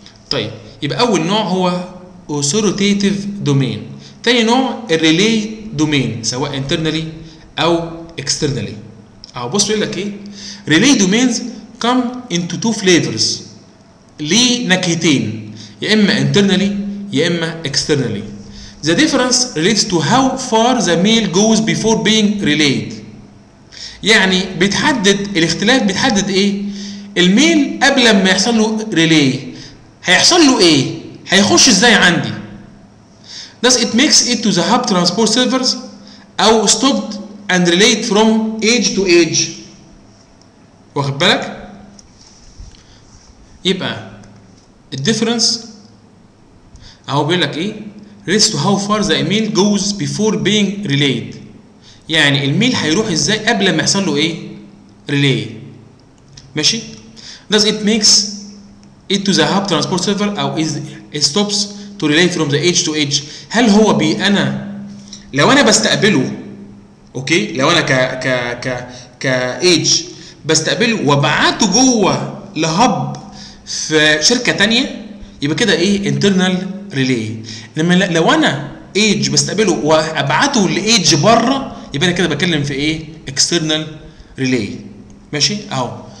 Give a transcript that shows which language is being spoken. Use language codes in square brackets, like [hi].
[ar] طيب يبقى اول نوع هو اوثوريتيف دومين. تاني نوع الريلي دومين سواء انترنالي او اكسترنالي. اهو بص بيقول لك ايه [en] really domains come into two flavours [ar] ليه نكهتين يا اما انترنالي يا اما اكسترنالي. [en] The difference relates to how far the mail goes before being relayed. [ar] يعني بتحدد الاختلاف بتحدد ايه؟ الميل قبل ما يحصل له ريلاي هيحصل له ايه؟ هيخش ازاي عندي؟ [en] Thus it makes it to the hub transport servers [ar] او [en] stopped and relayed from edge to edge. [ar] واخد بالك؟ يبقى [en] difference [ar] اهو بيقول لك ايه؟ [en] relates to how far the email goes before being relayed. [ar] يعني الميل هيروح ازاي قبل ما يحصل له ايه ريلاي ماشي. [en] Does it makes it to the hub transport server او it stops to relay from the edge to edge. [ar] هل هو بي انا لو انا بستقبله اوكي لو انا ك ك ك ك edge بستقبله وبعته جوه لهب في شركه تانية، يبقى كده ايه؟ انترنال ريلي. لما لو انا ايدج بستقبله وابعته لايدج بره، يبقى انا كده بتكلم في ايه؟ اكسترنال ريلي. ماشي اهو.